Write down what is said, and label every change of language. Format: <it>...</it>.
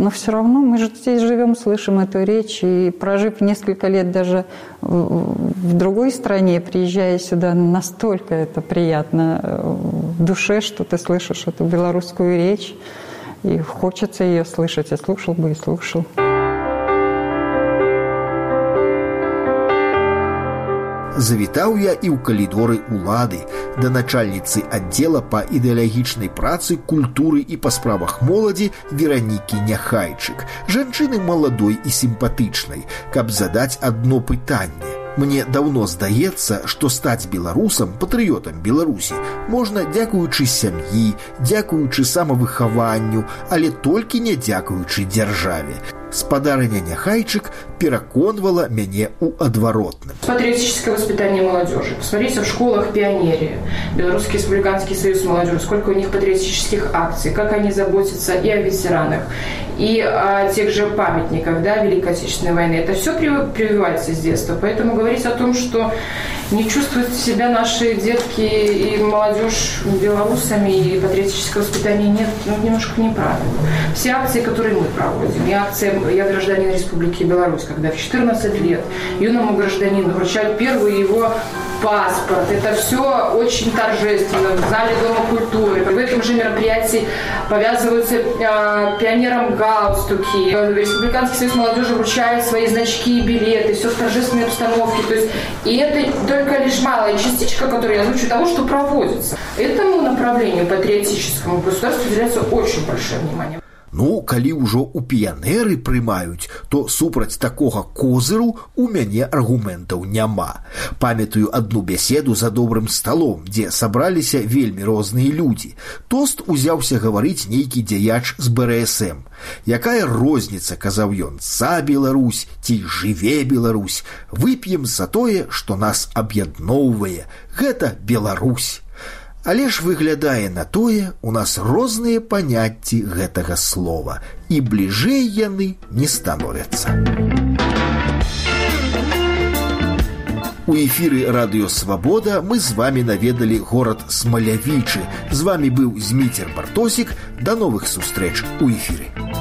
<ru>Но все равно мы же здесь живем, слышим эту речь, и прожив несколько лет даже в другой стране, приезжая сюда, настолько это приятно в душе, что ты слышишь эту белорусскую речь, и хочется ее слышать, я слушал бы и слушал.</ru> <be>Завітаў я і ў калідоры ўлады да начальніцы аддзела па ідэалагічнай працы, культуры і па справах моладзі Веранікі Няхайчык. Жанчыны маладой і сімпатычнай, каб задаць адно пытанне. Мне давно здаецца, што стаць беларусам, патрыётам Беларусі, можна дзякуючы сям'і, дзякуючы самавыхаванню, але толькі не дзякуючы дзяржаве. Спадарыня Няхайчык пераконвала мяне ў адваротным.</be> <ru>Патриотическое воспитание молодежи. Посмотрите, в школах пионерия, Белорусский республиканский союз молодежи, сколько у них патриотических акций, как они заботятся и о ветеранах, и о тех же памятниках, да, Великой Отечественной войны. Это все прививается с детства. Поэтому говорить о том, что не чувствуют себя наши детки и молодежь белорусами, и патриотического воспитания нет, ну, немножко неправильно. Все акции, которые мы проводим, и акция «Я гражданин Республики Беларусь», когда в 14 лет юному гражданину вручают первый его паспорт. Это все очень торжественно в зале Дома культуры. В этом же мероприятии повязываются пионерам галстуки. Республиканский союз молодежи вручает свои значки и билеты. Все в торжественной обстановке. То есть, и это только лишь малая частичка, которую я озвучу, того, что проводится. Этому направлению патриотическому государству уделяется очень большое внимание.</ru> <be>Ну, калі ўжо ў піянеры прымаюць, то супраць такога козыру ў мяне аргументаў няма. Памятаю адну беседу за добрым сталом, дзе сабраліся вельмі розныя людзі. Тост узяўся гаварыць нейкі дзяяч з БРСМ. Якая розніца, казаў ён, за Беларусь ці жыве Беларусь, вып'ем за тое, што нас аб'ядноўвае. Гэта Беларусь. Але ж выглядае на тое, у нас розныя паняцці гэтага слова, і бліжэй яны не становяцца. У</be> <ru>У эфиры «Радио Свобода» мы с вами наведали город Смолявичи. С вами был Змитер Бартосик. До новых встреч у эфира.</ru>